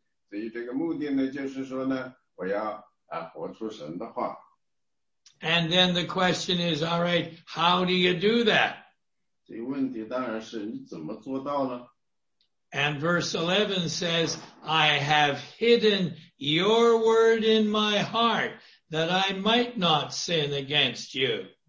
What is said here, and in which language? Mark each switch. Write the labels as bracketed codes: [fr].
[zh] 所以这个目的呢,就是说呢,我要活出神的话。 [en] And then the question is, all right, how do you do that? [zh] 这个问题当然是,你怎么做到呢? [en] And verse 11 says, I have hidden your word in my heart that I might not sin against you.